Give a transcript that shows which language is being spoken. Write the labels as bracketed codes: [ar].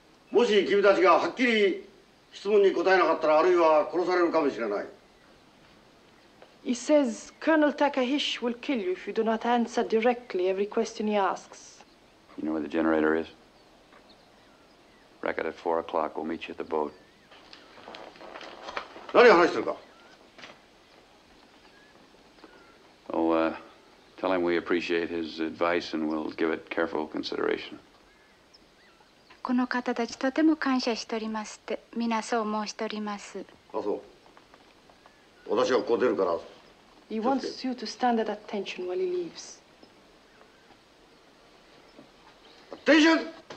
[ja] もし君たちがはっきり質問に答えなかったら、あるいは殺されるかもしれない。 [en] He says Colonel Takahish will kill you if you do not answer directly every question he asks. You know where the generator is? Wreck it at 4 o'clock. We'll meet you at the boat. [ja] 何話してるか? [en] Oh, tell him we appreciate his advice and we'll give it careful consideration. [ja] この方たちとても感謝しておりますって、みなそう申しております。あ、そう。私はここ出るから。 [en] He wants you to stand at attention while he leaves. Attention!